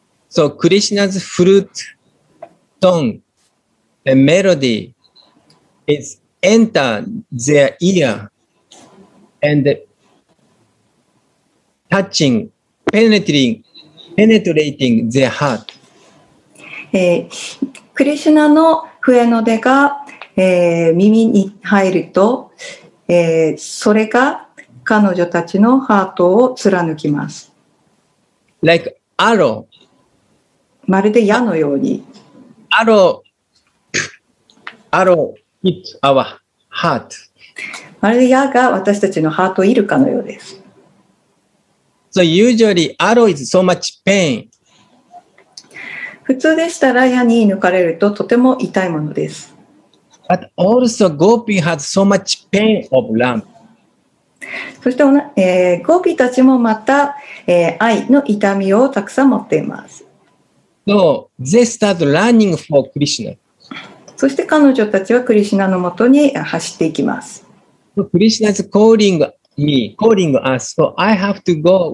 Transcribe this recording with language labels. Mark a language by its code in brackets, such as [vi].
[en] So, Krishna's fruit song, the melody, is enter their ear and touching, penetrating their heart. [ja] クリシュナの笛の音が、耳に入ると、それが彼女たちのハートを貫きます。 [en] Like arrow. [ja] まるで矢のように。 [en] Arrow hit our heart. [ja] まるで矢が私たちのハートを射るかのようです。 [en] So usually arrow is so much pain. [ja] 普通でしたら矢に抜かれるととても痛いものです。 [en] But also Gopi has so much pain of love. [ja] そして、ゴーピーたちもまた、愛の痛みをたくさん持っています。 [en] So they start running for Krishna. [ja] そして彼女たちはクリシュナのもとに走っていきます。 [en] So、Krishna is calling me, calling us. So I have to go.